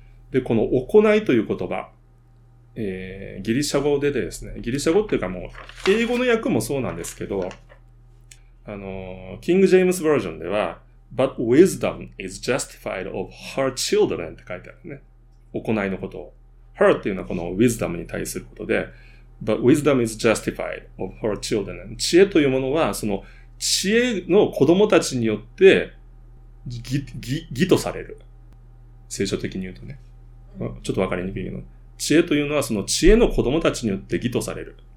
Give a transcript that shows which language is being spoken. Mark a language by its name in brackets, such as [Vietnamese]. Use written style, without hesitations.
[Japanese] で、この行いという言葉、ギリシャ語でですね、ギリシャ語っていうかもう英語の訳もそうなんですけど、キング・ジェームズ・バージョンでは、 [English] But wisdom is justified of her children [Japanese] って書いてあるね。行いのことを。 [English] her [Japanese] っていうのはこの [English] wisdom [Japanese] に対することで、 [English] but wisdom is justified of her children. [Japanese] 知恵というものは、その知恵の子供たちによって義とされる。聖書的に言うとね。ちょっとわかりにくいけど、知恵というのはその知恵の子供たちによって義とされる。